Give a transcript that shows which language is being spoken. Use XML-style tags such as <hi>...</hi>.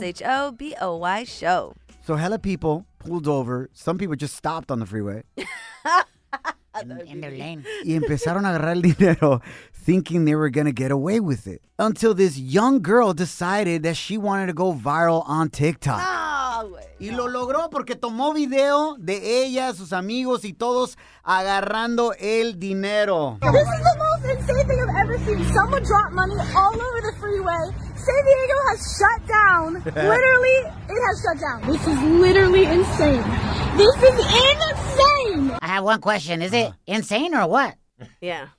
<en>Shaboy Show. So hella people pulled over. Some people just stopped on the freeway. In their lane.</en> <es>Y empezaron a agarrar el dinero,</es> <en>thinking they were going to get away with it. Until this young girl decided that she wanted to go viral on TikTok. No.</en> <es>Y lo logró porque tomó video de ella, sus amigos y todos agarrando el dinero.</es> <en>This is the most insane thing I've ever seen. Someone dropped money all over the freeway. San Diego has shut down. Literally, it has shut down. This is literally insane. This is insane. I have one question. Is it insane or what? Yeah.</en>